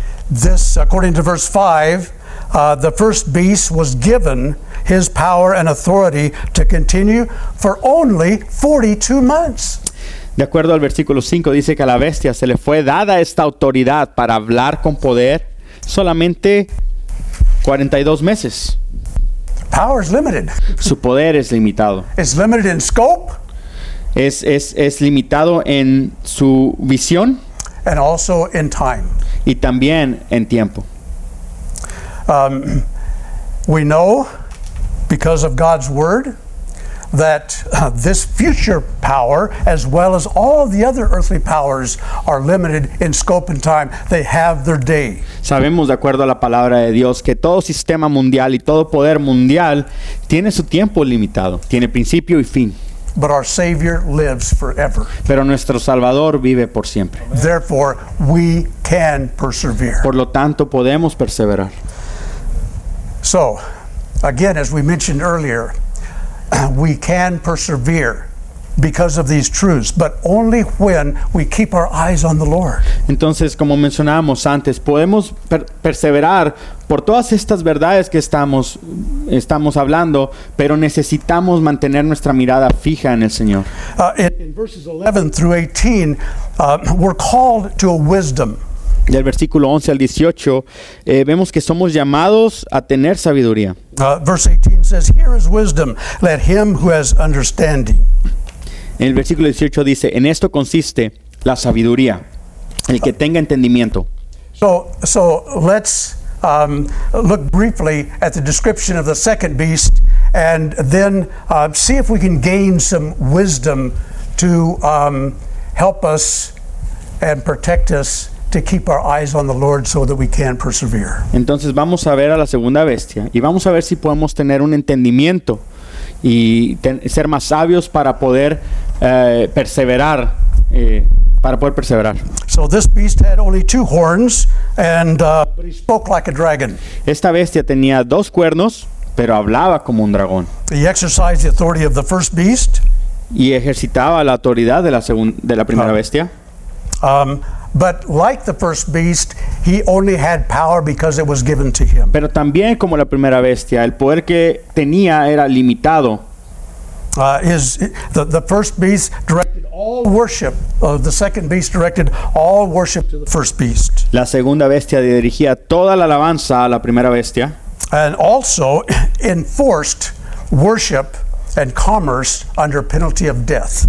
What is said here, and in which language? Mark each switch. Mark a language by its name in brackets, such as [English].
[English] This, according to verse 5, the first beast was given his power and authority to continue for only 42 months. [Spanish] De acuerdo al versículo 5, dice que a la bestia se le fue dada esta autoridad para hablar con poder solamente 42 meses. [English] Power is limited. [Spanish] Su poder es limitado. [English] It's limited in scope. [Spanish] Es limitado en su visión. [English] And also in time. [Spanish] Y también en tiempo. [English] We know, because of God's word, that this future power, as well as all the other earthly powers, are limited in scope and time. They have their day. [Spanish] Sabemos, de acuerdo a la palabra de Dios, que todo sistema mundial y todo poder mundial tiene su tiempo limitado, tiene principio y fin. [English] But our Savior lives forever. [Spanish] Pero nuestro Salvador vive por siempre. [English] Therefore, we can persevere. [Spanish] Por lo tanto, podemos perseverar. [English] So, again, as we mentioned earlier, we can persevere because of these truths, but only when we keep our eyes on the Lord. [Spanish] Entonces, como mencionábamos antes, podemos perseverar por todas estas verdades que estamos hablando, pero necesitamos mantener nuestra mirada fija en el Señor. [English] In verses 11 through 18, we're called to a wisdom. [Spanish] Del versículo 11 al 18, vemos que somos llamados a tener sabiduría. [English] Verse 18 says, "Here is wisdom. Let him who has understanding." [Spanish] En el versículo 18 dice, "En esto consiste la sabiduría, el que tenga entendimiento." [English] So let's look briefly at the description of the second beast, and then see if we can gain some wisdom to help us and protect us to keep our eyes on the Lord so that we can persevere. [Spanish] Entonces vamos a ver a la segunda bestia y vamos a ver si podemos tener un entendimiento y ser más sabios para poder perseverar para poder perseverar. [English] So this beast had only two horns and but he spoke like a dragon. [Spanish] Esta bestia tenía dos cuernos, pero hablaba como un dragón. [English] He exercised the authority of the first beast. [Spanish] Y ejercitaba la autoridad de la primera bestia. [English] But like the first beast, he only had power because it was given to him. [Spanish] Pero también como la primera bestia, el poder que tenía era limitado. [English] The first beast directed all worship. The second beast directed all worship to the first beast. [Spanish] La segunda bestia dirigía toda la alabanza a la primera bestia. [English] And also enforced worship and commerce under penalty of death.